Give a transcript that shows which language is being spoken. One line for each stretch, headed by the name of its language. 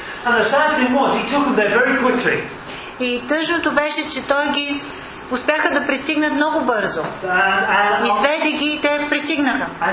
English: And the sad thing was, he took them there very quickly.
Bulgarian: И тъжното беше, че той ги успяха да пристигнат много бързо. Изведе ги и те пристигнаха.